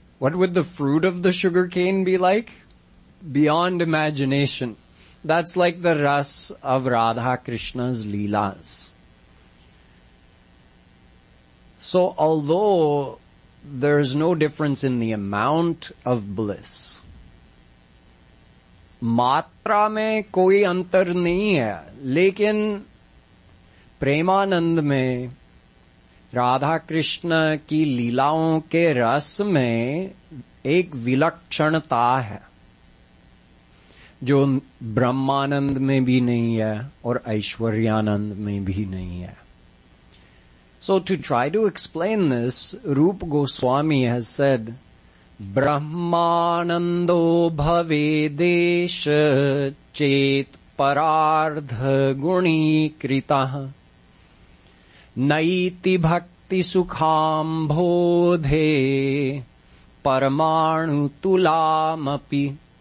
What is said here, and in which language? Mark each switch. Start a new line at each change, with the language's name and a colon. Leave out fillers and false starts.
English: What would the fruit of the sugar cane be like? Beyond imagination. That's like the ras of Radha Krishna's leelas. So although there is no difference in the amount of bliss.
Hindi: मात्रा में कोई अंतर नहीं है, लेकिन प्रेमानंद में, राधा कृष्ण की लीलाओं के रस में एक विलक्षणता है, जो ब्रह्मानंद में भी नहीं है और ऐश्वर्यानंद में भी नहीं है.
English: So to try to explain this, Rup Goswami has said,
Sanskrit: Brahmanando bhavedesh chet parardha guni kritah naiti bhakti sukham bodhe paramanu tulamapi.